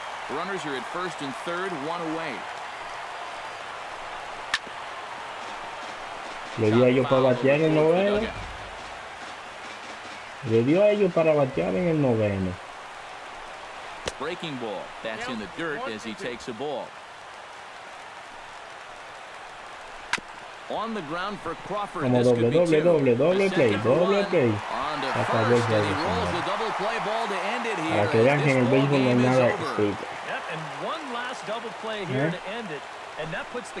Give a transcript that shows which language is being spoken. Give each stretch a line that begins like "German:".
Spanish: Runners are at first and third, one away. Le dio a ellos para batear en el noveno. Le dio a ellos para batear en el noveno.
English: Breaking ball. That's in the dirt as he takes a ball. On the ground for Crawford.
Spanish: Como doble, doble, doble, doble play, doble play. Hasta dos veces. Para que vean que en el béisbol no hay nada escrito.
English: Double play here to end it, and that puts the